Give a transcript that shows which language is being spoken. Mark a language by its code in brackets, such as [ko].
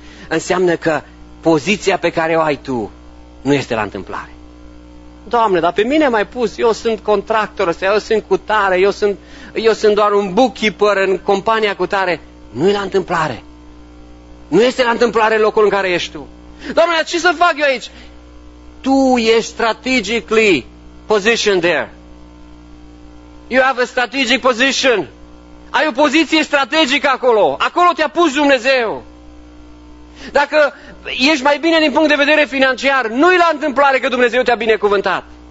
[ro] Înseamnă că poziția pe care o ai tu nu este la întâmplare. Doamne, dar pe mine m-ai pus, eu sunt contractor ăsta, eu sunt cu tare, eu sunt doar un bookkeeper în compania cu tare. Nu e la întâmplare. Nu este la întâmplare locul în care ești tu. Doamne, ce să fac eu aici? Tu ești [en] strategically positioned there. You have a strategic position. [ro] Ai o poziție strategică acolo. Acolo te-a pus Dumnezeu. Dacă ești mai bine din punct de vedere financiar, nu-i la întâmplare că Dumnezeu te-a binecuvântat.